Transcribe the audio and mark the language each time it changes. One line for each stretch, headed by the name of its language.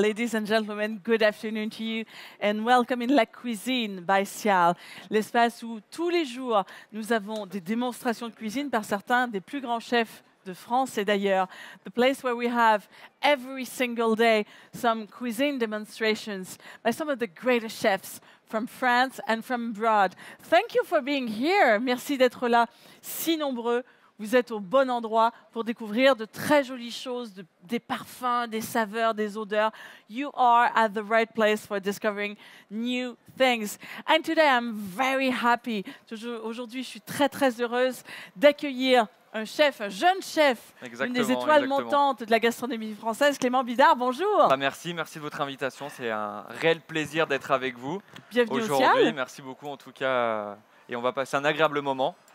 English: Ladies and gentlemen, good afternoon to you and welcome in La Cuisine by Sial.
French: L'espace où tous les jours, nous avons des démonstrations de cuisine par certains des plus grands chefs de France et d'ailleurs.
English: The place where we have every single day some cuisine demonstrations by some of the greatest chefs from France and from abroad. Thank you for being here.
French: Merci d'être là si nombreux. Vous êtes au bon endroit pour découvrir de très jolies choses, des parfums, des saveurs, des odeurs.
English: You are at the right place for discovering new things. And today I'm very happy.
French: Aujourd'hui, je suis très, très heureuse d'accueillir un chef, un jeune chef, exactement, une des étoiles montantes de la gastronomie française, Clément Bidard, bonjour. Bah merci, merci de votre invitation. C'est un réel plaisir d'être avec vous. Bienvenue aujourd'hui. Au Sial. Merci beaucoup en tout cas. Et on va passer un agréable moment.